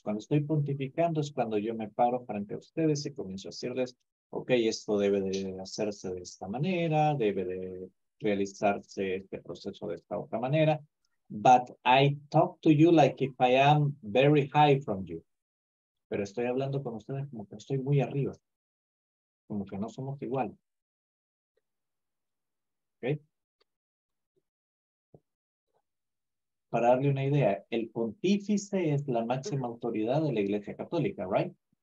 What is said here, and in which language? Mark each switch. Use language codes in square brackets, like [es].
[es] Cuando estoy pontificando es cuando yo me paro frente a ustedes y comienzo a decirles, ok, esto debe de hacerse de esta manera, debe de realizarse este proceso de esta otra manera. [en] But I talk to you like if I am very high from you. [es] Pero estoy hablando con ustedes como que estoy muy arriba. Como que no somos igual. [en] Okay. [es] Para darle una idea, el pontífice es la máxima autoridad de la Iglesia Católica, [en] right?